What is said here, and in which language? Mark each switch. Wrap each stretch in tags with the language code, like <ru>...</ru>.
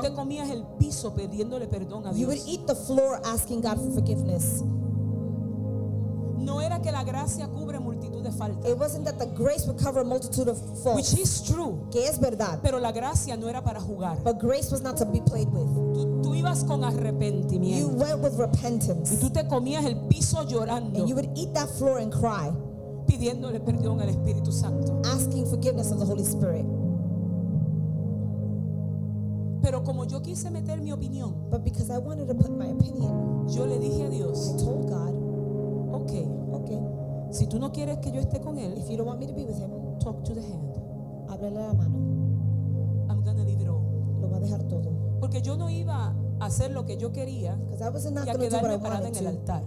<es>tú te comías el piso pidiéndole perdón a Dios.</es> <en>You would eat the floor asking God for forgiveness.</en> <es>No era que la gracia cubre multitud de faltas.</es> <en>It wasn't that the grace would cover a multitude of faults. Which is true.</en> <es>Que es verdad. Pero la gracia no era para jugar.</es> <en>But grace was not to be played with.</en> <es>Tú ibas con arrepentimiento.</es> <en>You went with repentance.</en> <es>Y tú te comías el piso llorando.</es> <en>And you would eat that floor and cry.</en> <es>Pidiéndole perdón al Espíritu Santo.</es> <en>Asking forgiveness of the Holy Spirit.</en> <es>Pero como yo quise meter mi opinión,</es> <en>but because I wanted to put my opinion,</en> <es>yo le dije a Dios,</es> <en>I told God, Okay.</en> <es>Si tú no quieres que yo esté con él,</es> <en>if you don't want me to be with him, talk to the hand.</en> <es>Háblale a la mano.</es> <en>I'm gonna leave it all.</en> <es>Lo va a dejar todo. Porque yo no iba a hacer lo que yo quería.</es> <en>Because I wasn't gonna do what I wanted to.</en>